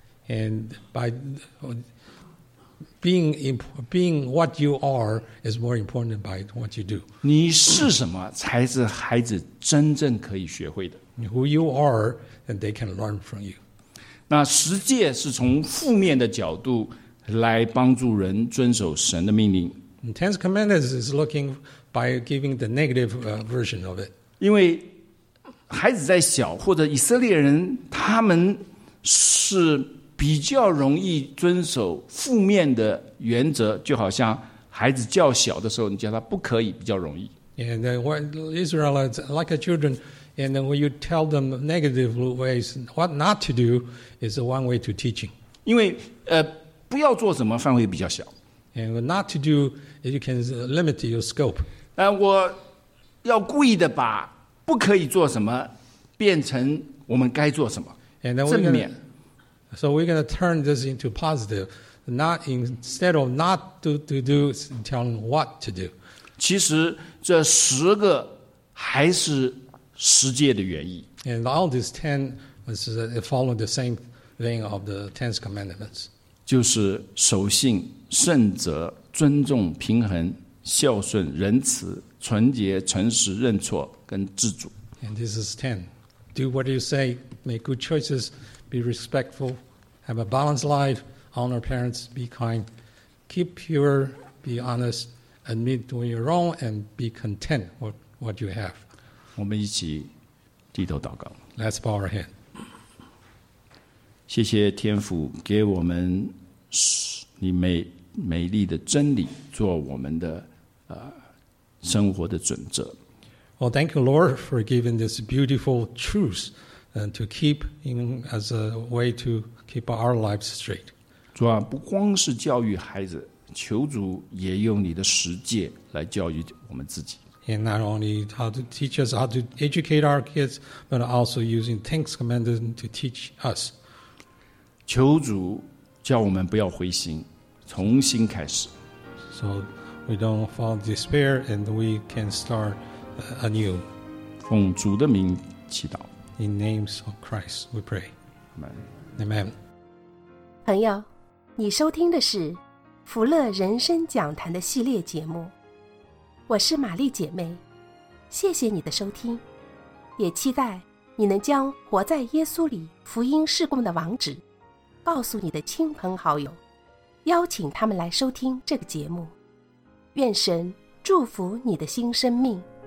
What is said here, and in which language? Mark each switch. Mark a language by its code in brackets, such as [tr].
[en] And by being what you are is more important by what you do. [zh] 你是什么才是孩子真正可以学会的。 [en] Who you are, and they can learn from you. [zh] 那十诫是从负面的角度来帮助人遵守神的命令。 [en] Tenth commandments is looking by giving the negative version of it. [zh] 因为孩子在小或者以色列人他们是比较容易遵守负面的原则，就好像孩子较小的时候你叫他不可以比较容易。 [en] And then when Israelites like a children, and then when you tell them negative ways what not to do is one way to teaching. [zh] 因为不要做什么范围比较小。 [en] And not to do, you can limit your scope. [zh] 但我要故意的把不可以做什么变成我们该做什么，正面。 [en] So we're going to turn this into positive. Not instead of not to do, tell them what to do. [zh] 其实这十个还是十诫的原意。 [en] And all these ten was following the same vein of the ten commandments. [zh] 就是守信、圣责、尊重、平衡、孝顺、仁慈、纯洁、诚实、认错跟自主。 [en] And this is ten. Do what you say, make good choices. Be respectful, have a balanced life, honor parents, be kind, keep pure, be honest, admit when you're wrong, and be content with what you have. [zh] 我们一起低头祷告。 [en] Let's bow our head. [zh] 谢谢天父给我们你美丽的真理做我们的生活的准则。 [en] Well, thank you, Lord, for giving this beautiful truth. And to keep in as a way to keep our lives straight. [zh] 主啊，不光是教育孩子，求主也用你的十诫来教育我们自己。 [en] And not only how to teach us how to educate our kids, but also using Ten Commandments to teach us. [zh] 求主叫我们不要灰心，重新开始。 [en] So we don't fall in despair and we can start anew. [zh] 奉主的名祈祷。 [en] In names of Christ, we pray. Amen. Amen. [zh] 朋友，你收听的是福乐人生讲坛的系列节目。我是玛丽姐妹，谢谢你的收听，也期待你能将活在耶稣里福音事工的网址告诉你的亲朋好友，邀请他们来收听这个节目。愿神祝福你的新生命。